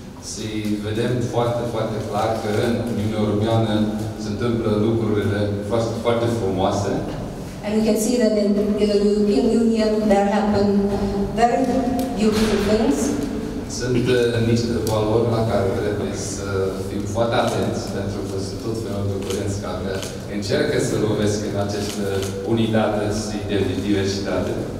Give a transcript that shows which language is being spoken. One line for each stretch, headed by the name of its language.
Romanian: Și vedem foarte, foarte clar că în Uniunea Europeană se întâmplă lucrurile foarte, foarte frumoase.
English: And we can see that in the European Union there happen very beautiful things.
Romanian: Sunt niște valori la care trebuie să fim foarte atenți, pentru că sunt tot felul de curenți care încearcă să lovesc în această unitate și diversitate.